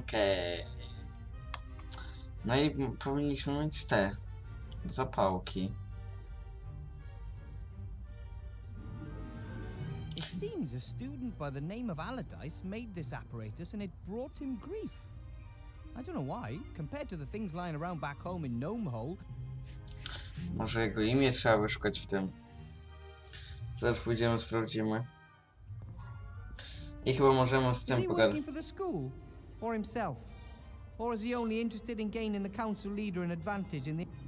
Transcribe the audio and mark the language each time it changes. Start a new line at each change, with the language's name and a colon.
Polish: Okay. No i powinniśmy mieć te zapałki.
English: It seems a student by the name of Allardyce made this apparatus and it brought him grief. I don't know why, compared to the things lying around back home in Gnomehole.
Polish: Może jego imię trzeba wyszukać w tym. Zaraz pójdziemy, sprawdzimy. I chyba możemy z tym pogadać.
English: Or himself, or is he only interested in gaining the council leader an advantage in the?